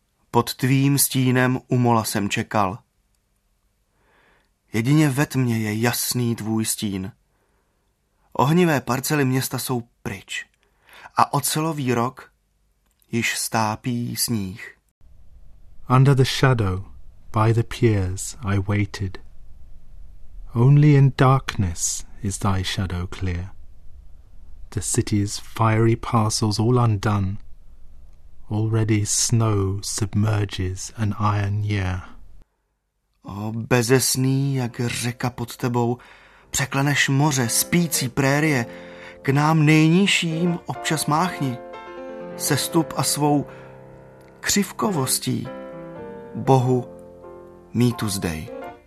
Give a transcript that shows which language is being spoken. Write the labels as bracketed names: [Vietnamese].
[Czech] Pod tvým stínem u mola jsem čekal. Jedině ve tmě je jasný tvůj stín. Ohnivé parcely města jsou pryč a ocelový rok již stápí sníh. [English] Under the shadow, by the piers, I waited. Only in darkness is thy shadow clear. The city's fiery parcels all undone. Already snow submerges an iron year. [Czech] O bezesný, jak řeka pod tebou, překleneš moře, spící prérie, k nám nejnižším občas máchni. Sestup a svou křivkovostí Bohu mýtu zdej.